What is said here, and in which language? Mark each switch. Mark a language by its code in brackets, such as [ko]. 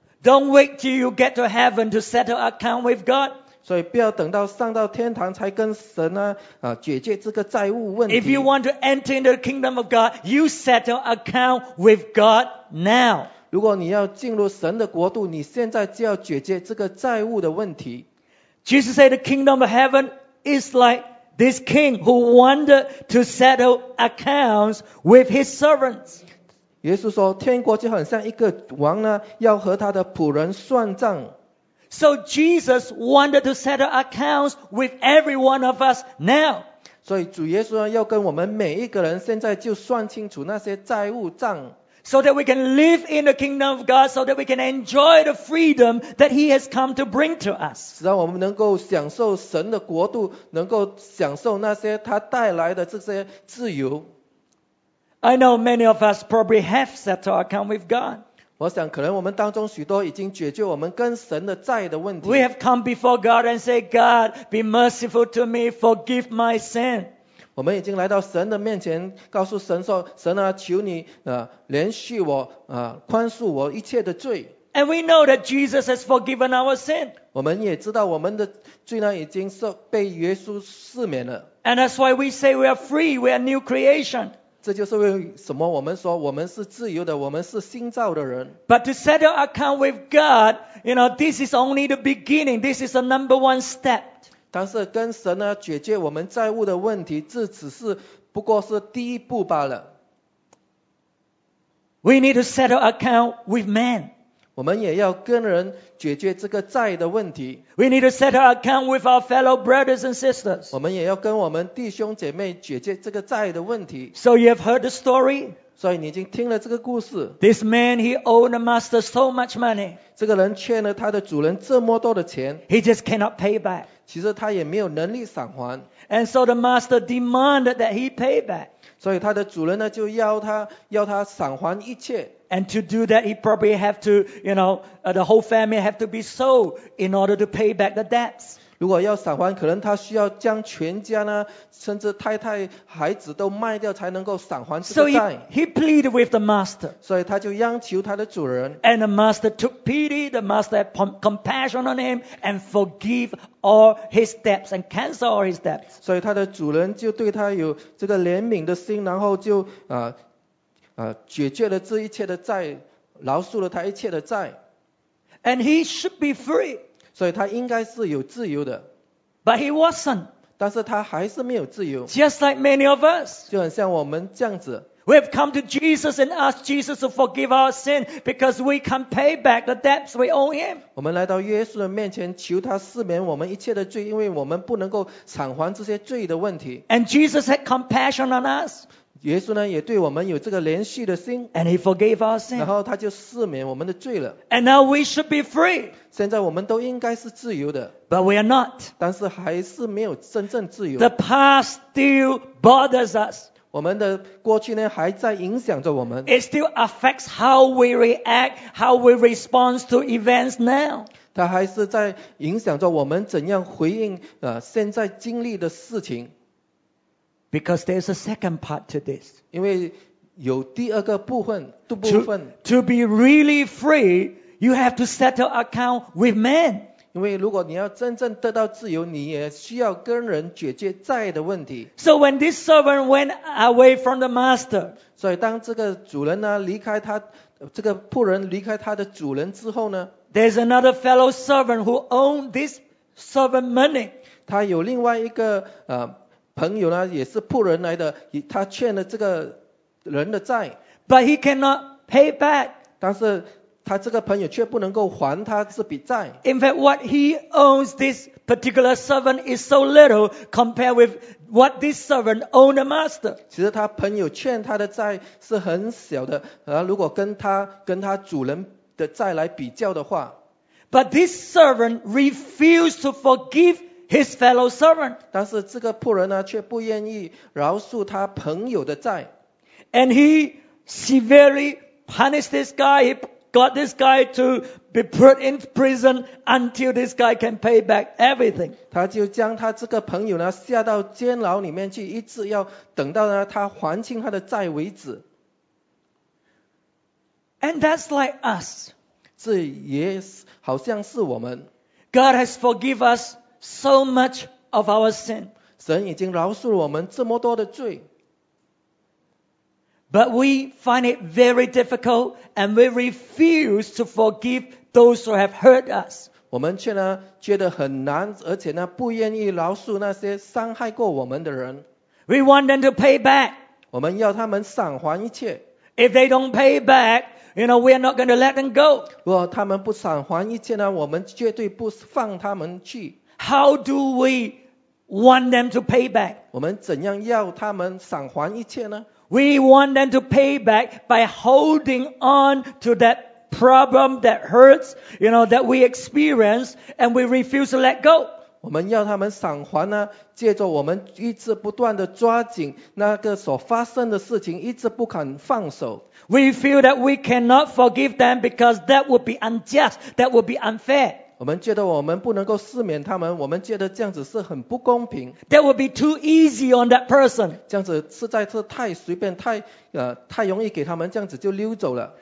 [en] Don't wait till you get to heaven to settle account with God. [zh] 所以不要等到上到天堂才跟神呢解决这个债务问题。 [en] If you want to enter the kingdom of God, you settle account with God now. [zh] 如果你要进入神的国度，你现在就要解决这个债务的问题。 [en] Jesus said the kingdom of heaven is like this king who wanted to settle accounts with his servants. [zh] 耶稣说天国就很像一个王呢要和他的仆人算账。 [en] So Jesus wanted to settle accounts with every one of us now. [zh] 所以主耶稣呢要跟我们每一个人现在就算清楚那些债务账。 [en] So that we can live in the kingdom of God, so that we can enjoy the freedom that He has come to bring to us. [zh] 让我们能够享受神的国度，能够享受那些他带来的这些自由。 [en] I know many of us probably have settled our account with God. [zh] 我想可能我们当中许多已经解决我们跟神的债的问题。 [en] We have come before God and say, God, be merciful to me, forgive my sin. [zh] 我们已经来到神的面前，告诉神说：“神啊，求你怜恤我，宽恕我一切的罪。” [en] And we know that Jesus has forgiven our sin. [zh] 我们也知道我们的罪呢已经被耶稣赦免了。 [en] And that's why we say we are free, we are new creation. [zh] 这就是为什么我们说我们是自由的，我们是新造的人。 [en] But to settle account with God, you know, this is only the beginning. This is the number one step. [zh] 但是跟神呢解决我们债务的问题，这只是不过是第一步罢了。 [en] We need to settle account with man. [zh] 我们也要跟人解决这个债的问题。 [en] We need to settle account with our fellow brothers and sisters. [zh] 我们也要跟我们弟兄姐妹解决这个债的问题。 [en] So you have heard the story. [zh] 所以你已经听了这个故事。 [en] This man he owed the master so much money. [zh] 这个人欠了他的主人这么多的钱。 [en] He just cannot pay back. [zh] 其实他也没有能力偿还。 [en] And so the master demanded that he pay back. [zh] 所以他的主人呢就要他偿还一切。 [en] And to do that, he probably have to, you know, the whole family have to be sold in order to pay back the debts. [zh] 如果要偿还，可能他需要将全家呢，甚至太太、孩子都卖掉才能够偿还这个债。 [en] So he pleaded with the master. [zh] 所以他就央求他的主人。 [en] And the master took pity. The master had compassion on him and forgive. All his debts and cancel all his debts. [zh] 所以他的主人就对他有这个怜悯的心，然后就解决了这一切的债，饶恕了他一切的债。 [en] And he should be free. [zh] 所以他应该是有自由的。 [en] But he wasn't. [zh] 但是他还是没有自由。 [en] Just like many of us. [zh] 就很像我们这样子。 [en] We have come to Jesus and asked Jesus to forgive our sin because we can pay back the debts we owe him. [zh] 我们来到耶稣的面前求他赦免我们一切的罪，因为我们不能够偿还这些罪的问题。 [en] And Jesus had compassion on us. [zh] 耶稣呢也对我们有这个怜恤的心。 [en] And he forgave our sin. [zh] 然后他就赦免我们的罪了。 [en] And now we should be free. [zh] 现在我们都应该是自由的。 [en] But we are not. [zh] 但是还是没有真正自由。 [en] The past still bothers us. [zh] 我们的过去呢还在影响着我们。 [en] It still affects how we react, how we respond to events now. [zh] 它还是在影响着我们怎样回应现在经历的事情。 [en] Because there's a second part to this. [zh] 因为有第二个部分。 [en] To be really free, you have to settle account with men. [zh] 因为如果你要真正得到自由，你也需要跟人解决债的问题。 [en] So when this servant went away from the master, [zh] 所以当这个主人呢离开他，这个仆人离开他的主人之后呢 [en] ，There's another fellow servant who owned this servant money. [zh] 他有另外一个朋友呢，也是仆人来的，他欠了这个人的债。 [en] But he cannot pay back. [zh] 但是他这个朋友却不能够还他这笔债。 [en] In fact, what he owes this particular servant is so little compared with what this servant owed the master. [zh] 其实他朋友欠他的债是很小的，如果跟他主人的债来比较的话。 [en] But this servant refused to forgive his fellow servant. [zh] 但是这个仆人呢，却不愿意饶恕他朋友的债。 [en] And he severely punished this guy. He got this guy to be put in prison until this guy can pay back everything. [zh] 他就将他这个朋友呢下到监牢里面去，一直要等到呢他还清他的债为止。 [en] And that's like us. [zh] 这也好像是我们。 [en] God has forgiven us so much of our sin. [zh] 神已经饶恕了我们这么多的罪。 [en] But we find it very difficult and we refuse to forgive those who have hurt us. [zh] 我们却呢觉得很难，而且呢不愿意饶恕那些伤害过我们的人。 [en] We want them to pay back. [zh] 我们要他们赏还一切。 [en] If they don't pay back, you know, we are not going to let them go. [zh] 如果他们不赏还一切呢，我们绝对不放他们去。 [en] How do we want them to pay back? [zh] 我们怎样要他们赏还一切呢？ [en] We want them to pay back by holding on to that problem that hurts, you know, that we experience and we refuse to let go. [zh] 我们要他们偿还呢，借着我们一直不断的抓紧那个所发生的事情，一直不肯放手。 [en] We feel that we cannot forgive them because that would be unjust, that would be unfair. [zh] 我们觉得我们不能够赦免他们，我们觉得这样子是很不公平。 [en] That would be too easy on that person. [zh] 这样子实在是太随便，太容易给他们这样子就溜走了。